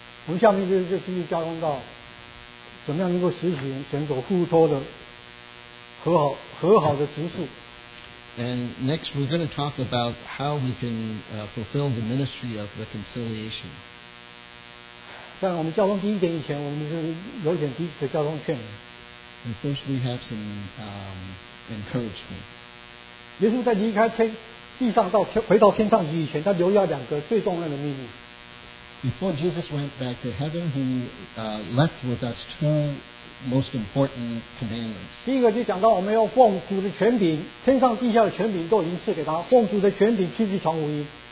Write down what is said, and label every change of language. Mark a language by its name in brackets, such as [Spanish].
[Chinese] 我们下面就继续加工到怎么样能够实行神所呼托的和好的职事。 [English] And next, we're going to talk about how we can fulfill the ministry of reconciliation. [Chinese] 在我们交通第一点以前，我们是有点彼此的交通劝勉。 [English] And first, we have some encouragement. [Chinese] 耶稣在离开天地上到回到天上去以前，他留下两个最重要的秘密。 [English] Before Jesus went back to heaven, he left with us two. Most important commandments. [Chinese] 第一个就讲到我们要奉主的权柄，天上地下的权柄都已经赐给他，奉主的权柄去去传福音。